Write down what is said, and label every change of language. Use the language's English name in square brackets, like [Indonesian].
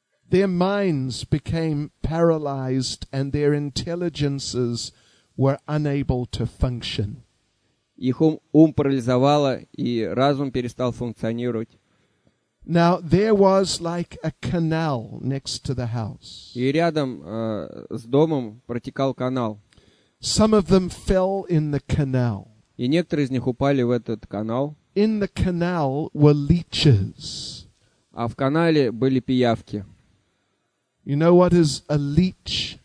[English] Their minds became paralyzed, and their intelligences were unable to function. [Russian] Их ум парализовало, и разум перестал функционировать. [English] Now there was like a canal next to the house. [Russian] И рядом с домом протекал канал. [English] Some of them fell in the canal. [Russian] И некоторые из них упали в этот канал. [English] In the canal were leeches. [Russian] А в канале были пиявки. [English] You know what is a leech?